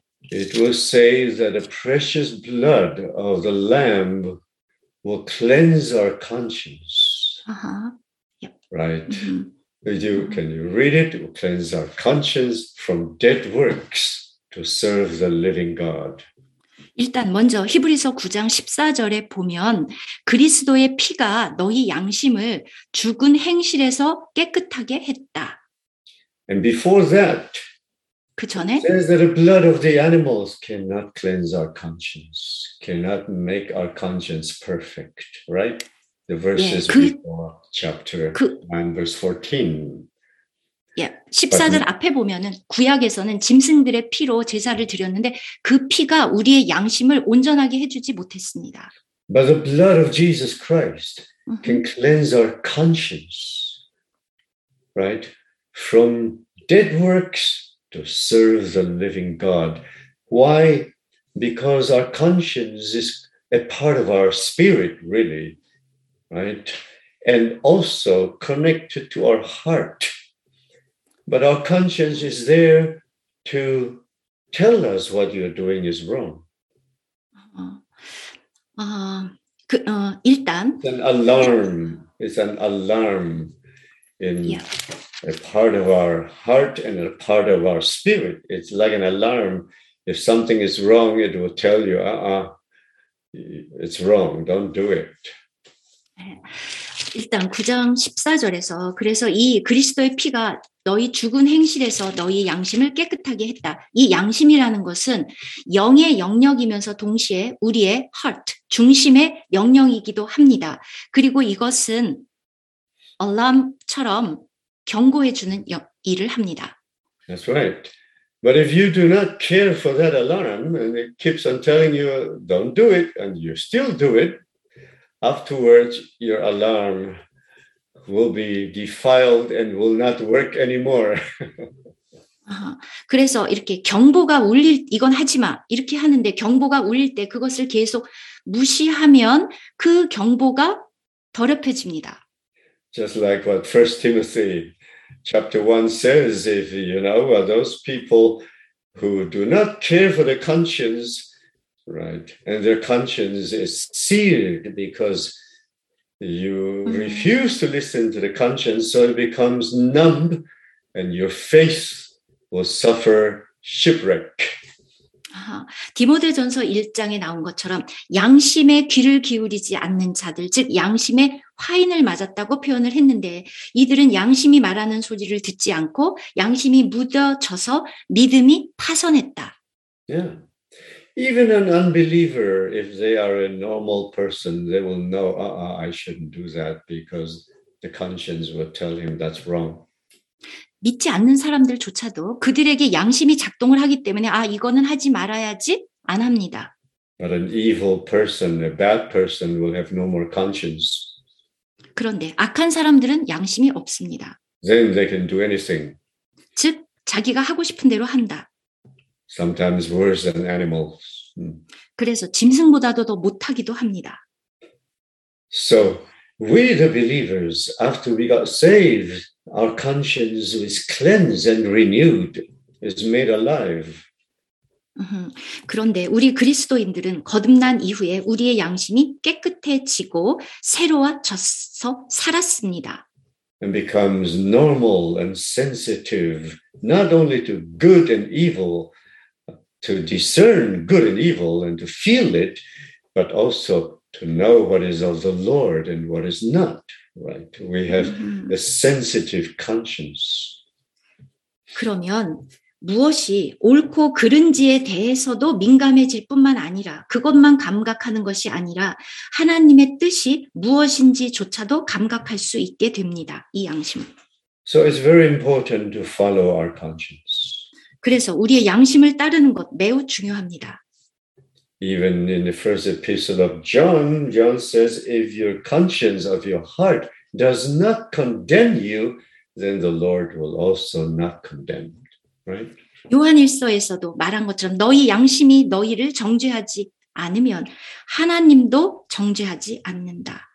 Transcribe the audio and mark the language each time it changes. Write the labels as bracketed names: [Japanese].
[English] It will say that the precious blood of the Lamb will cleanse our conscience. Right? Mm-hmm. Can you read it? It will cleanse our conscience from dead works to serve the living God. [Korean] 일단 먼저 히브리서 9장 14절에 보면 그리스도의 피가 너희 양심을 죽은 행실에서 깨끗하게 했다. [English] And before that, [Korean] 그 전에 [English] it says that the blood of the animals cannot cleanse our conscience, cannot make our conscience perfect, right? The verses before chapter 9, verse 14. [Korean] Yeah, 14절 앞에 보면은 구약에서는 짐승들의 피로 제사를 드렸는데 그 피가 우리의 양심을 온전하게 해주지 못했습니다. [English] But the blood of Jesus Christ can cleanse our conscience, right? From dead works to serve the living God. Why? Because our conscience is a part of our spirit, really, right? And also connected to our heart. But our conscience is there to tell us what you're doing is wrong. [Korean] 일단. [English] It's an alarm. It's an alarm in... Yeah. A part of our heart and a part of our spirit. It's like an alarm. If something is wrong, it will tell you, it's wrong. Don't do it. [Korean] 일단 9장 14절에서 그래서 이 그리스도의 피가 너희 죽은 행실에서 너희 양심을 깨끗하게 했다. 이 양심이라는 것은 영의 영역이면서 동시에 우리의 heart, 중심의 영역이기도 합니다. 그리고 이것은 alarm처럼 경고해 주는 일을 합니다. [English] That's right. But if you do not care for that alarm and it keeps on telling you don't do it and you still do it, afterwards your alarm will be defiled and will not work anymore. [Korean] 그래서 이렇게 경보가 울릴 이건 하지 마. 이렇게 하는데 경보가 울릴 때 그것을 계속 무시하면 그 경보가 더럽혀집니다. [English] Just like what 1 Timothy chapter 1 says, if you know, are those people who do not care for their conscience, right? And their conscience is seared because you refuse to listen to the conscience, so it becomes numb and your face will suffer shipwreck. [Korean] 디모데전서 1장에 나온 것처럼 양심에 귀를 기울이지 않는 자들, 즉 양심에 화인을 맞았다고 표현을 했는데 이들은 양심이 말하는 소리를 듣지 않고 양심이 무뎌져서 믿음이 파손했다. [English] Yeah. Even an unbeliever, if they are a normal person, they will know, I shouldn't do that because the conscience will tell him that's wrong. [Korean] 믿지 않는 사람들조차도 그들에게 양심이 작동을 하기 때문에 아 이거는 하지 말아야지 안 합니다. [English] But an evil person, a bad person will have no more conscience. [Korean] 그런데 악한 사람들은 양심이 없습니다. [English] Then they can do anything. [Korean] 즉 자기가 하고 싶은 대로 한다. [English] Sometimes worse than animals. [Korean] 그래서 짐승보다도 더 못하기도 합니다. [English] So we the believers after we got saved Our conscience is cleansed and renewed, is made alive. [Korean] 그런데 우리 그리스도인들은 거듭난 이후에 우리의 양심이 깨끗해지고 새로워져서 살았습니다. [English] And becomes normal and sensitive, not only to good and evil, to discern good and evil and to feel it, but also to know what is of the Lord and what is not. Right. We have a sensitive conscience. [Korean] 그러면 무엇이 옳고 그른지에 대해서도 민감해질 뿐만 아니라 그것만 감각하는 것이 아니라 하나님의 뜻이 무엇인지조차도 감각할 수 있게 됩니다. 이 양심. [English] So it's very important to follow our conscience. [Korean] 그래서 우리의 양심을 따르는 것 매우 중요합니다. [English] Even in the first epistle of John, John says, if your conscience of your heart does not condemn you, then the Lord will also not condemn. Right? [Korean] 요한일서에서도 말한 것처럼 너희 양심이 너희를 정죄하지 않으면 하나님도 정죄하지 않는다.